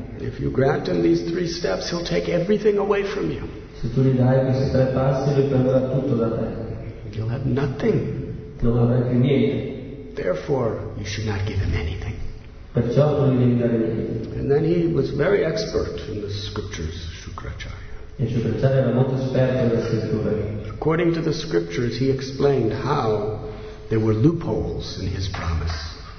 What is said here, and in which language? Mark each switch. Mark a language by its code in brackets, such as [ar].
[en] If you grant him these three steps, he'll take everything away from you. [it] Se tu gli dai questi tre passi, lui prenderà tutto da te. [en] You'll have nothing. [it] Non avrai più niente. [en] Therefore, you should not give him anything. [it] Perciò non gli devi dare niente. [en] And then he was very expert in the scriptures, Shukracharya. [it] E Shukracharya era molto esperto nelle scritture. [en] According to the scriptures, he explained how there were loopholes in his promise.